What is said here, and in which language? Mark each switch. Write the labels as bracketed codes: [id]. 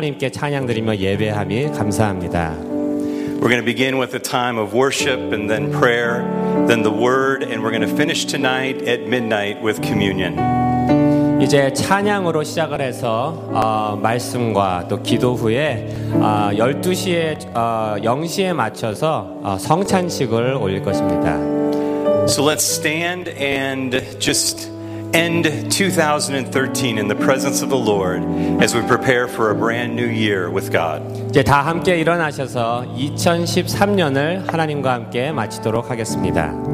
[ko] 하나님께 찬양 드리며 예배함이 감사합니다. [en] We're going to begin with a time of worship and then prayer, then the word, and we're going to finish tonight at midnight with communion. [ko] 이제 찬양으로 시작을 해서 말씀과 또 기도 후에 12시에 0시에 맞춰서 성찬식을 올릴 것입니다. [en] So let's stand and just end 2013 in the presence of the Lord as we prepare for a brand new year with God. [ko] 이제 다 함께 일어나셔서 2013년을 하나님과 함께 마치도록 하겠습니다.